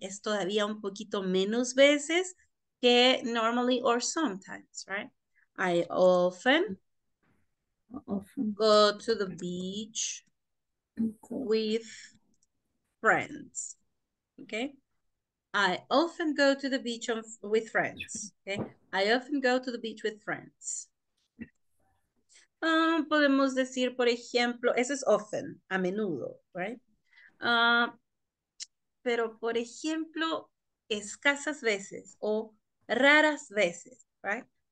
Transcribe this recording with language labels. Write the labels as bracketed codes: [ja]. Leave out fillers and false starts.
[es] Es todavía un poquito menos veces que [en] normally or sometimes, right? I often go to the beach with friends, okay? I often go to the beach with friends, okay? I often go to the beach with friends. [es] Podemos decir, por ejemplo, eso es often, a menudo, [en] right? [es] Pero, por ejemplo, escasas veces o raras veces, [en] right?